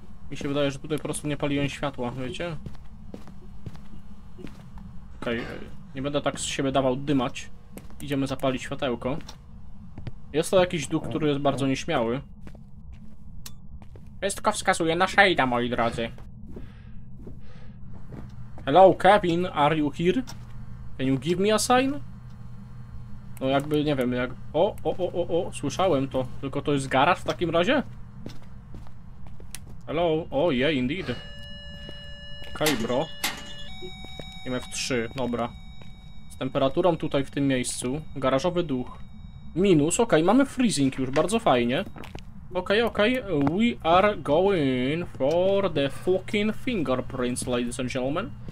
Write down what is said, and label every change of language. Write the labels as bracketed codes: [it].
[pl] Mi się wydaje, że tutaj po prostu nie paliłem światła, wiecie? Okej, nie będę tak z siebie dawał dymać. Idziemy zapalić światełko. Jest to jakiś duch, który jest bardzo nieśmiały. Wszystko wskazuje na Shade'a, moi drodzy. [en] Hello, Kevin, are you here? Can you give me a sign? [pl] No jakby, nie wiem, jak... O, słyszałem to. Tylko to jest garaż w takim razie? [en] Hello, oh yeah, indeed. [pl] Okej, bro. MF3, dobra. Z temperaturą tutaj w tym miejscu. Garażowy duch. Minus, okej, mamy freezing już, bardzo fajnie. [en] Okej, we are going for the fucking fingerprints, ladies and gentlemen.